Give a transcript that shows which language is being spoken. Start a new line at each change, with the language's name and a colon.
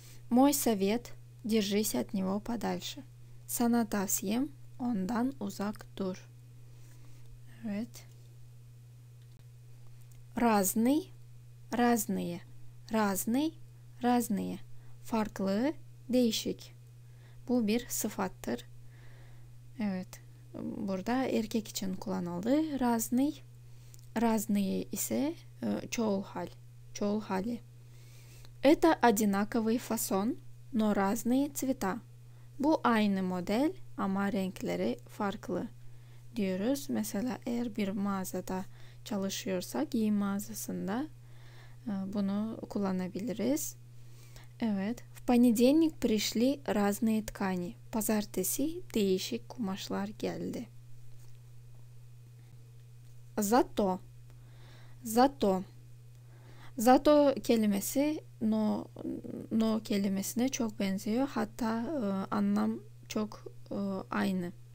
Russian: Мой совет, держись от него подальше.
Turkish: Sana tavsiyem, ondan uzak dur. Evet.
Russian: Разный, разные, разный, разные,
Turkish: фарклы, değişik. Bu bir sıfattır. Evet, burada erkek için kullanıldı.
Russian: Разный, разные
Turkish: ise çoğul hal, çoğul hali.
Russian: Это одинаковый фасон, но разные цвета.
Turkish: Bu aynı model ama renkleri farklı diyoruz. Mesela eğer bir mağazada çalışıyorsa giyim mağazasında bunu kullanabiliriz. Evet.
Russian: В понедельник пришли разные ткани.
Turkish: Pazartesi değişik kumaşlar geldi.
Russian: Зато. Зато.
Turkish: Зато kelimesi но kelimesine çok benziyor. Hatta anlam çok aynı.